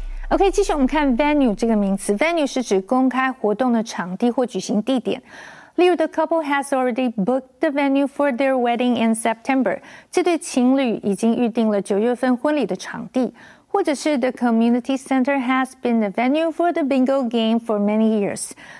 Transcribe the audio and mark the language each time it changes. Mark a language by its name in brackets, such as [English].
[Chinese] OK, 继续我们看venue这个名词。Venue是指公开活动的场地或举行地点。例如, [English] the couple has already booked the venue for their wedding in September. [Chinese] 这对情侣已经预定了9月份婚礼的场地。或者是, [English] the community center has been the venue for the bingo game for many years.